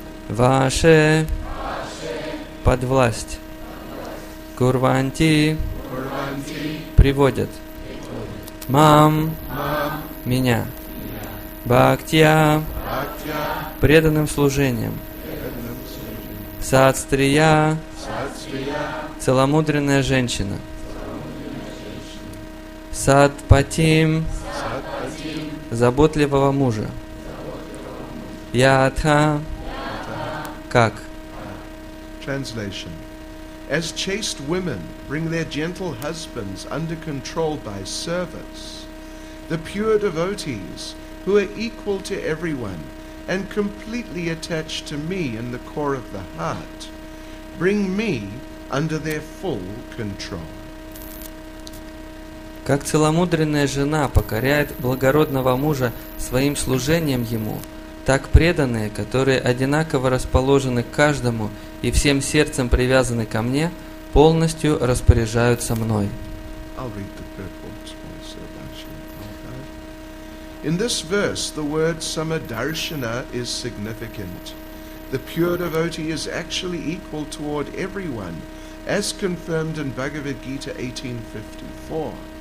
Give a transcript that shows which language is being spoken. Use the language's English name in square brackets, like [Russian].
[Russian] Ваше под власть Курванти приводят мам меня Бхактия преданным служением Сатстрия целомудренная женщина Садпатим заботливого мужа Ядха как [English] Translation. As chaste women bring their gentle husbands under control by servants, the pure devotees, who are equal to everyone and completely attached to me in the core of the heart, bring me under their full control. [Russian] Как целомудренная жена покоряет благородного мужа своим служением ему, так преданные, которые одинаково расположены к каждому и всем сердцем привязаны ко мне, полностью распоряжаются мной. [English] I'll read the purport also, okay. In this verse, the word samadarshana is significant. The pure devotee is actually equal toward everyone, as confirmed in Bhagavad Gita 18:54.